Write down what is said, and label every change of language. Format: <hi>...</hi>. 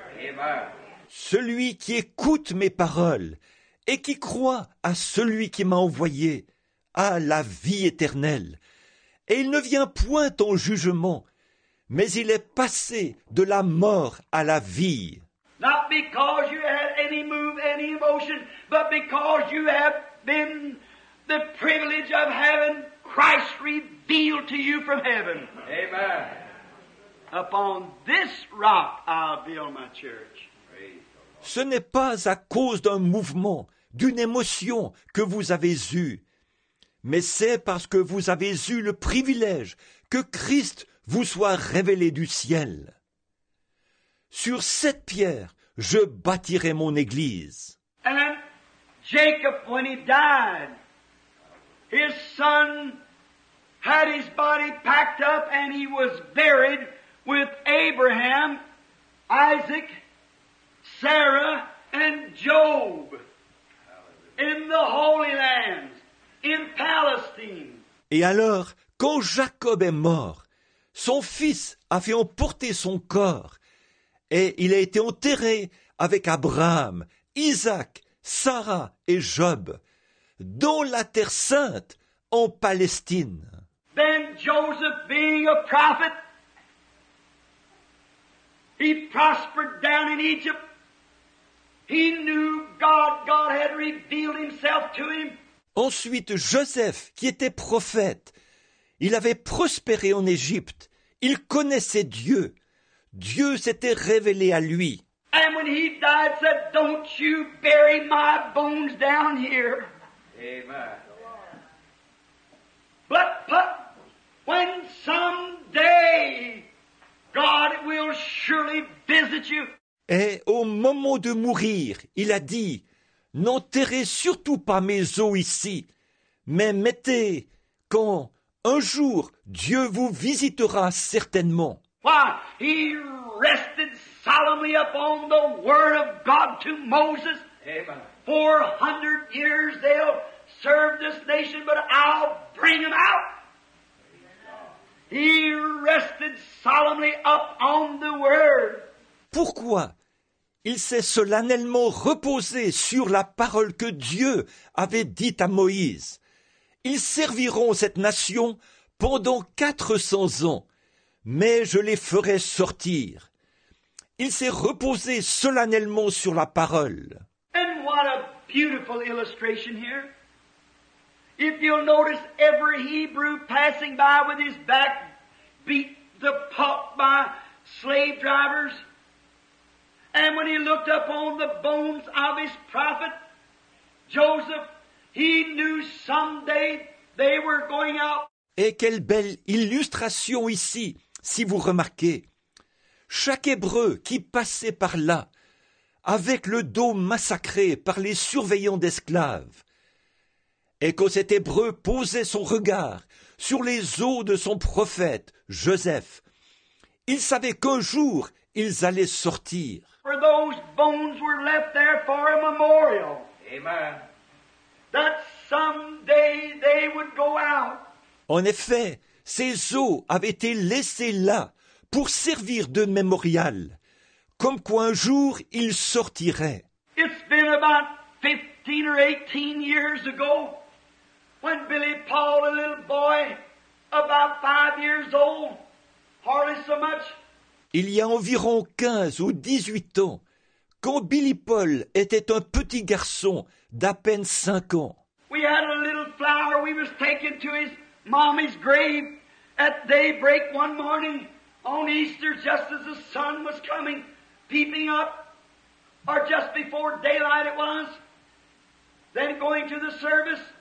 <en>Amen.</en> <fr>Celui qui écoute mes paroles et qui croit à celui qui m'a envoyé a la vie éternelle. Et il ne vient point en jugement, mais il est passé de la mort à la vie.</fr> <en>Not because you had any move, any emotion, but because you have been the privilege of having Christ revealed to you from heaven. Amen. Upon this rock I'll build my church.</en> <fr>Ce n'est pas à cause d'un mouvement, d'une émotion que vous avez eu, mais c'est parce que vous avez eu le privilège que Christ vous soit révélé du ciel. Sur cette pierre, je bâtirai mon église.</fr> <en>And Jacob, when he died, his son had his body packed up and he was buried with Abraham, Isaac, Sarah, and Job in the Holy Land, in Palestine.</en> <fr>Et alors, quand Jacob est mort, son fils a fait emporter son corps et il a été enterré avec Abraham, Isaac, Sarah et Job dans la Terre Sainte en Palestine.</fr> <en>Then Joseph, being a prophet, he prospered down in Egypt. He knew God. God had revealed himself to him.</en> <fr>Ensuite, Joseph, qui était prophète, il avait prospéré en Égypte. Il connaissait Dieu. Dieu s'était révélé à lui.</fr> <en>And when he died, said, "Don't you bury my bones down here." Amen. But when someday God will surely visit you.</en> <fr>Et au moment de mourir, il a dit, n'enterrez surtout pas mes os ici, mais mettez quand un jour Dieu vous visitera certainement.</fr> <en>Why, he rested solemnly upon the word of God to Moses. Amen. 400 years they'll serve this nation, but I'll bring them out. He rested solemnly up on the word.</en> <fr>Pourquoi il s'est solennellement reposé sur la parole que Dieu avait dite à Moïse? Ils serviront cette nation pendant 400 ans, mais je les ferai sortir. Il s'est reposé solennellement sur la parole.</fr> <en>And what a beautiful illustration here. If you'll notice every Hebrew passing by with his back beat the pulp by slave drivers. And when he looked upon the bones of his prophet, Joseph, he knew someday they were going out.</en> <fr>Et quelle belle illustration ici, si vous remarquez. Chaque Hébreu qui passait par là, avec le dos massacré par les surveillants d'esclaves, et que cet Hébreu posait son regard sur les os de son prophète, Joseph, il savait qu'un jour, ils allaient sortir.</fr> <en>For those bones were left there for a memorial. Amen. That someday they would go out.</en> <fr>En effet, ces os avaient été laissés là pour servir de mémorial, comme quoi un jour, ils sortiraient.</fr> <en>It's been about 15 or 18 years ago. When Billy Paul, a little boy, about 5 years old, hardly so much.</en> <fr>Il y a environ 15 ou 18 ans, quand Billy Paul était un petit garçon d'à peine 5 ans.</fr> <en>We had a little flower we was taking to his mommy's grave at daybreak one morning on Easter, just as the sun was coming, peeping up, or just before daylight it was, then going to the service.</en>